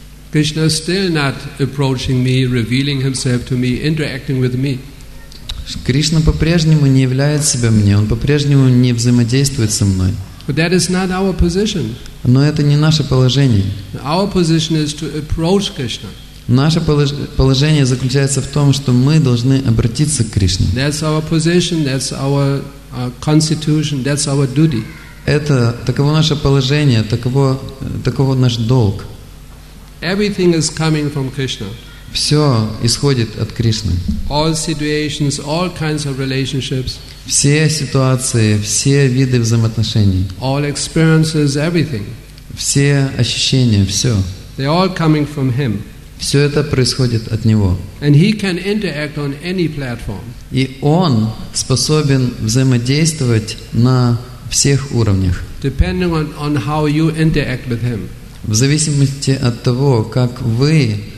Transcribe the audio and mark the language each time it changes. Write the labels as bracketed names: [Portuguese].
[English] Krishna is still not approaching me, revealing himself to me, interacting with me. [Russian] Кришна по-прежнему не являет себя мне, он по-прежнему не взаимодействует со мной. [English] But that is not our position. [Russian] Но это не наше положение. [English] Our position is to approach Krishna. [Russian] Наше положение заключается в том, что мы должны обратиться к Кришне. [English] That's our position, that's our constitution, that's our duty. [Russian] Это таково наше положение, таково наш долг. [English] Everything is coming from Krishna. [Russian] Все исходит от Кришны. [English] All situations, all kinds of relationships. [Russian] Все ситуации, все виды взаимоотношений. [English] All experiences, everything. [Russian] Все ощущения, все. [English] They're all coming from Him. [Russian] Все это происходит от Него. [English] And He can interact on any platform. [Russian] И Он способен взаимодействовать на всех уровнях. [English] Depending on how you interact with Him. [Russian] В зависимости от того, как вы